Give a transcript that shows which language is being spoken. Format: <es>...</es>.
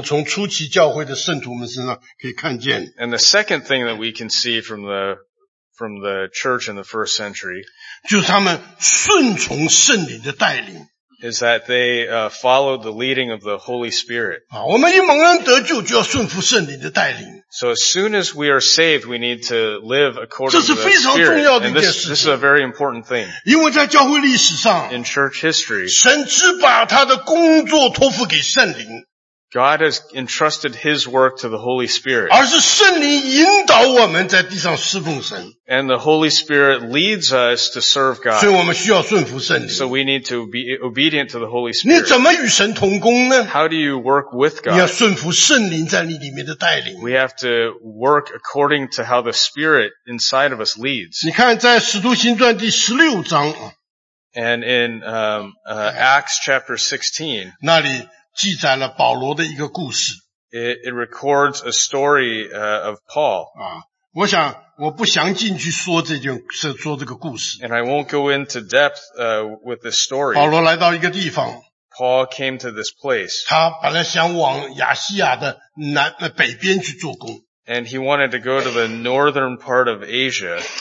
<zh>那么第二件事情，我们从初期教会的圣徒们身上可以看见。</zh> <en>And the second thing that we can see from the church in the first century,</en> <zh>就是他们顺从圣灵的带领。</zh> <en>Is that they followed the leading of the Holy Spirit.</en> <zh>我们一蒙恩得救就要顺服圣灵的带领。</zh> <en>So as soon as we are saved, we need to live according to the Spirit. And this is a very important thing.</en> <zh>因为在教会历史上,</zh> <en>in church history,</en> <zh>神只把他的工作托付给圣灵。</zh> <en>God has entrusted His work to the Holy Spirit.</en> <zh>而是圣灵引导我们在地上侍奉神。</zh> <en>And the Holy Spirit leads us to serve God.</en> <zh>所以我们需要顺服圣灵。</zh> <en>So we need to be obedient to the Holy Spirit.</en> <zh>你怎么与神同工呢?</zh> <en>How do you work with God?</en> <zh>你要顺服圣灵在你里面的带领。</zh> <en>We have to work according to how the Spirit inside of us leads.</en> <zh>你看在使徒行传第16章,</zh> <en>and in Acts chapter 16,</en> <zh>那里 记载了保罗的一个故事。</zh> <en>It records a story of Paul.</en> <zh>我想我不详尽去说这个故事。</zh> <en>And I won't go into depth with this story.</en> <zh>保罗来到一个地方。</zh> <en>Paul came to this place.</en> <zh>他本来想往亚细亚的北边去做工。</zh> <en>And he wanted to go to the northern part of Asia.</en>